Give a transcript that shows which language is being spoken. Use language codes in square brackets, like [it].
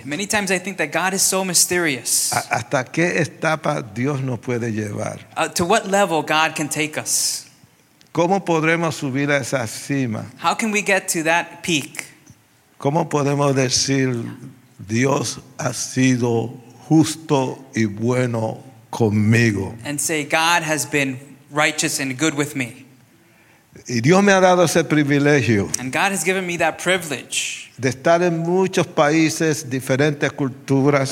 [en] Many times I think that God is so mysterious. [es] ¿Hasta qué etapa Dios nos puede llevar? [en] To what level God can take us? [es] ¿Cómo podremos subir a esa cima? [en] How can we get to that peak? [es] ¿Cómo podemos decir Dios ha sido justo y bueno conmigo? [en] And say God has been righteous and good with me. [es] Y Dios me ha dado ese privilegio. [en] And God has given me that privilege. [es] De estar en muchos países, diferentes culturas.